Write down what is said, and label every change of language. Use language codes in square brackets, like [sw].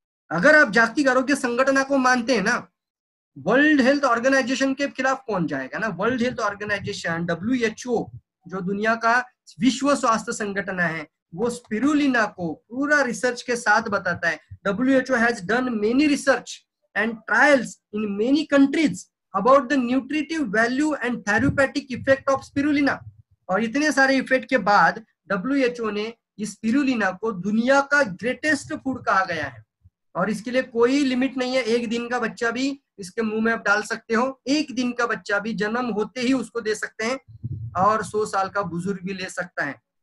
[hi] अगर आप जागतिक आरोग्य संगठन को मानते हैं ना, वर्ल्ड हेल्थ ऑर्गेनाइजेशन के खिलाफ कौन जाएगा ना? वर्ल्ड हेल्थ ऑर्गेनाइजेशन WHO जो दुनिया का विश्व स्वास्थ्य संगठन है, वो स्पिरुलिना को पूरा रिसर्च के साथ बताता है। [en] WHO has done many research and trials in many countries about the nutritive value and therapeutic effect of spirulina. [hi] और इतने सारे इफेक्ट के बाद WHO ने इस स्पिरुलिना को दुनिया का ग्रेटेस्ट फूड कहा गया है और इसके लिए कोई लिमिट नहीं है. एक दिन का बच्चा भी इसके मुंह में आप डाल सकते हो, एक दिन का बच्चा भी जन्म होते ही उसको दे सकते हैं और 100 साल का बुजुर्ग भी ले सकता है.